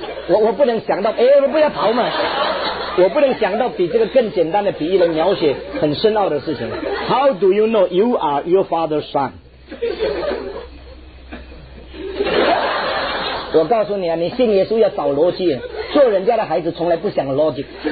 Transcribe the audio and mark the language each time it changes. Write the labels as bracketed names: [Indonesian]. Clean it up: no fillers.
[Chinese] 我不能想到，哎，我不要跑嘛！我不能想到比这个更简单的比喻来描写很深奥的事情。 [English] How do you know you are your father's son？ [Chinese] 我告诉你啊，你信耶稣要找逻辑，做人家的孩子从来不想逻辑。